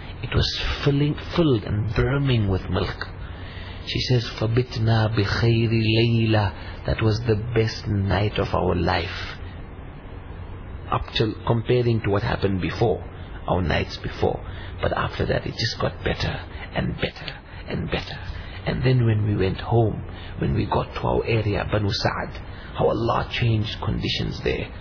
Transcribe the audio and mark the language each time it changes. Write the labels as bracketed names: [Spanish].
[English] It was filled and brimming with milk. She says, [Arabic] فَبِتْنَا بِخَيْرِ لَيْلَى. [English] That was the best night of our life, up till comparing to what happened before, our nights before. But after that, it just got better and better and better. And then when we went home, when we got to our area, Banu Sa'ad, how Allah changed conditions there.